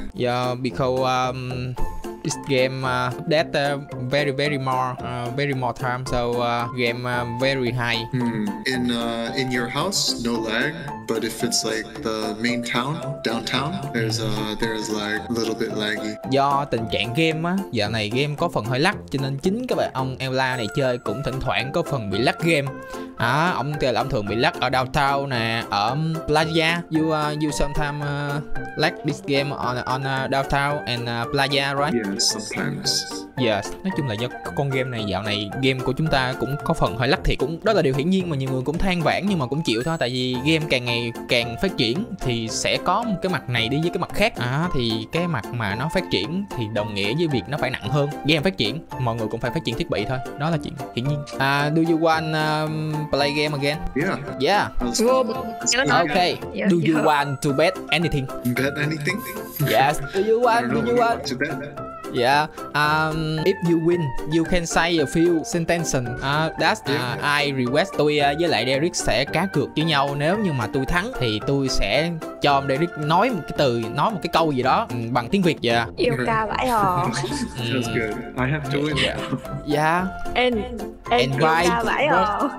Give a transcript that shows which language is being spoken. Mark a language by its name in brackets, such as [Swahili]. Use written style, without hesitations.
[English] Yeah, because this game update very more time, so game very high. In your house no lag, but if it's like the main town downtown, there's like a little bit laggy. [Vietnamese] Do tình trạng game á, giờ này game có phần hơi lag, cho nên chính các bạn ông Ella này chơi cũng thỉnh thoảng có phần bị lag game. À, ông thì là ông thường bị lag ở downtown nè, ở Playa. [English] You sometimes lag this game on downtown and Playa, right? Yes, sometimes. [Vietnamese] Yes, nói chung là do con game này dạo này game của chúng ta cũng có phần hơi lag thiệt, cũng đó là điều hiển nhiên mà nhiều người cũng than vãn nhưng mà cũng chịu thôi, tại vì game càng ngày càng phát triển thì sẽ có một cái mặt này đi với cái mặt khác. À, thì cái mặt mà nó phát triển thì đồng nghĩa với việc nó phải nặng hơn. Game phát triển, mọi người cũng phải phát triển thiết bị thôi, đó là chuyện hiển nhiên. [English] Do you want play game again? Yeah. Yeah. Okay. Yeah. Do you want to bet anything? Bet anything? Yes. Do you want to bet? Yeah. If you win, you can say a few sentences. I request. [Vietnamese] Tôi với lại Derek sẽ cá cược với nhau. Nếu như mà tôi thắng thì tôi sẽ cho ông Derek nói một cái từ, nói một cái câu gì đó bằng tiếng Việt. [English] Yeah. Yêu ca vãi hò. That's good. I have to win. Yeah. And why?